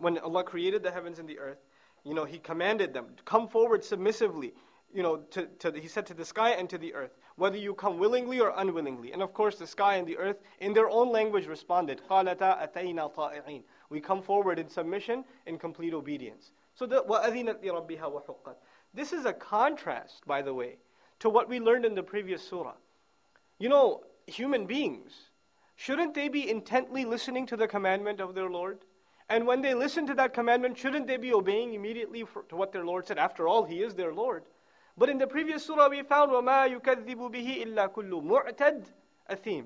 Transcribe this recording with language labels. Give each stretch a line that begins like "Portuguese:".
English: When Allah created the heavens and the earth, you know, He commanded them, come forward submissively, you know, He said to the sky and to the earth, whether you come willingly or unwillingly. And of course, the sky and the earth, in their own language, responded,
Arabic: قَالَتَا أَتَيْنَا طَائِعِينَ.
English: We come forward in submission, in complete obedience.
Arabic: So the وَأَذِنَتْ لِرَبِّهَا وَحُقَّتْ.
English: This is a contrast, by the way, to what we learned in the previous surah. You know, human beings, shouldn't they be intently listening to the commandment of their Lord? And when they listen to that commandment, shouldn't they be obeying immediately to what their Lord said? After all, He is their Lord. But in the previous surah we found,
Arabic: وَمَا يُكَذِّبُ بِهِ إِلَّا كُلُّ مُعْتَدٍ أَثِيمٍ.